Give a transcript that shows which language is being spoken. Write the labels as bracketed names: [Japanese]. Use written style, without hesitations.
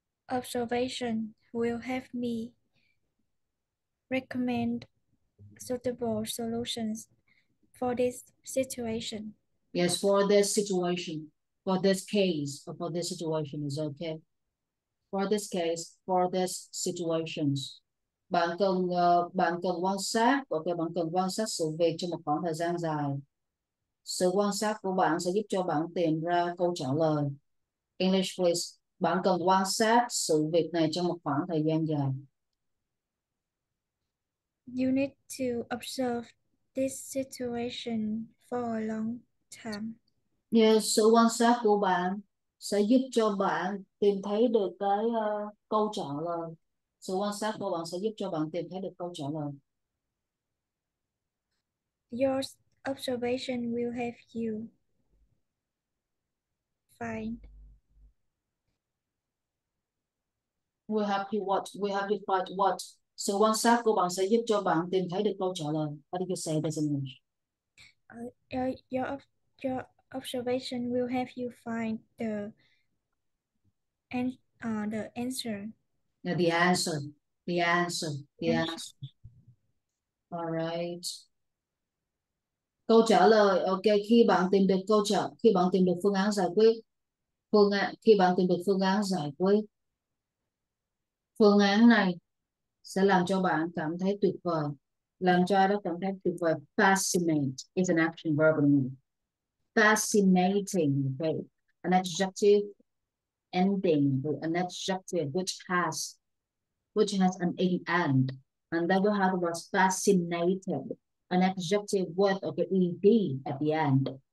[English] Observation will have me recommend suitable solutions for this situation. Yes, for this situation. For this case, or for this situation is okay. For this case, for this situations, [Vietnamese] bạn cần quan sát, okay, bạn cần quan sát sự việc trong một khoảng thời gian dài. Sự quan sát của bạn sẽ giúp cho bạn tìm ra câu trả lời. [English] English, please. [Vietnamese] Bạn cần quan sát sự việc này trong một khoảng thời gian dài. [English] You need to observe this situation for a long time. [Vietnamese] Yes, sự quan sát của bạn sẽ giúp cho bạn tìm thấy được cái câu trả lời. Sự quan sát của bạn sẽ giúp cho bạn tìm thấy được câu trả lời. [English] Your observation will have you find. We have to find what? Sự quan sát của bạn sẽ giúp cho bạn tìm thấy được câu trả lời. How do you say this in English? Your observation will have you find the answer. The answer. Answer. All right. [Vietnamese] Câu trả lời, ok, khi bạn tìm được phương án giải quyết, khi bạn tìm được phương án giải quyết, phương án này sẽ làm cho bạn cảm thấy tuyệt vời, làm cho ai đó cảm thấy tuyệt vời. [English] Fascinate is an action verb in Fascinating, okay, an adjective ending with an adjective which has an ing end, and then we have the word fascinated, an adjective with ed at the end.